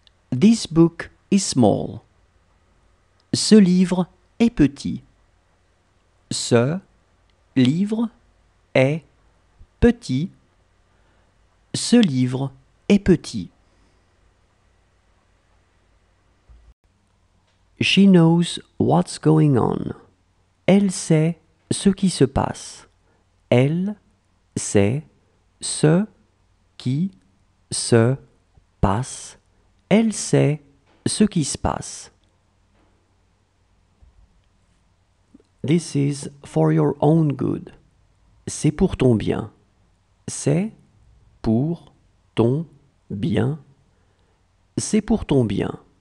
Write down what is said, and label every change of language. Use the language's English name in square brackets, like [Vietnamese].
[English] This book is small. [French] Ce livre est petit. Ce livre est petit. Ce livre est petit. [English] She knows what's going on. [French] Elle sait ce qui se passe. Elle sait ce qui se passe. Elle sait ce qui se passe. [English] This is for your own good. [French] C'est pour ton bien. C'est pour ton bien. C'est pour ton bien.